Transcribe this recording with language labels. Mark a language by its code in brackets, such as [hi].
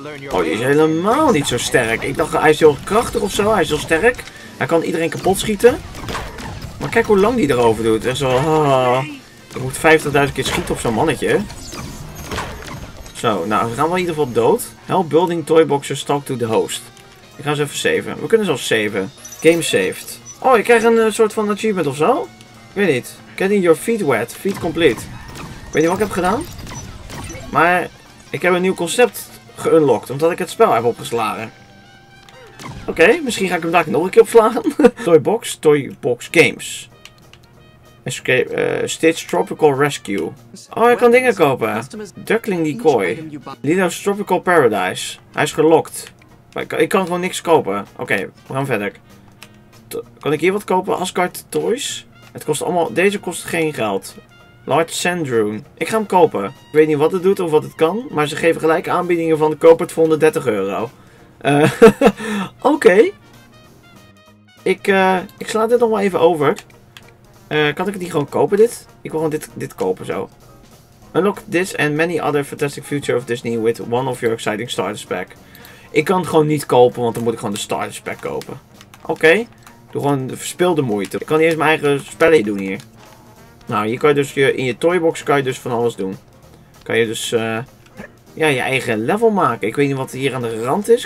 [nl] Oh, hij is helemaal niet zo sterk. Ik dacht, hij is heel krachtig of zo. Hij is heel sterk. Hij kan iedereen kapot schieten. Maar kijk hoe lang hij erover doet. Hij is wel... Oh, ik moet 50.000 keer schieten op zo'n mannetje. Zo, nou, we gaan wel in ieder geval dood. [en] Help building toy boxes talk to the host. [nl] Ik ga ze even saven. We kunnen zelfs saven. [en] Game saved. [nl] Oh, ik krijg een soort van achievement of zo? Ik weet niet. [en] Getting your feet wet. Feet complete. [nl] Ik weet niet wat ik heb gedaan. Maar ik heb een nieuw concept geunlocked. Omdat ik het spel heb opgeslagen. Oké, misschien ga ik hem daar nog een keer opslagen. Toy box games. Escape, Stitch Tropical Rescue. Oh, hij kan dingen kopen. Duckling Decoy. Lido's Tropical Paradise. Hij is gelokt. Ik kan gewoon niks kopen. Oké, we gaan verder. Kan ik hier wat kopen? Asgard Toys? Het kost allemaal... Deze kost geen geld. Large Sand Drone. Ik ga hem kopen. Ik weet niet wat het doet of wat het kan. Maar ze geven gelijk aanbiedingen van... Koop het voor €130. Oké. Ik sla dit nog maar even over. Kan ik het niet gewoon kopen, dit? Ik wil gewoon dit kopen, zo. [en] Unlock this and many other fantastic future of Disney with one of your exciting starter pack. [nl] Ik kan het gewoon niet kopen, want dan moet ik gewoon de starter pack kopen. Oké. Doe gewoon de verspilde moeite. Ik kan niet eens mijn eigen spelletje doen hier. Nou, hier kan je dus in je toybox kan je dus van alles doen. Kan je dus je eigen level maken. Ik weet niet wat hier aan de rand is.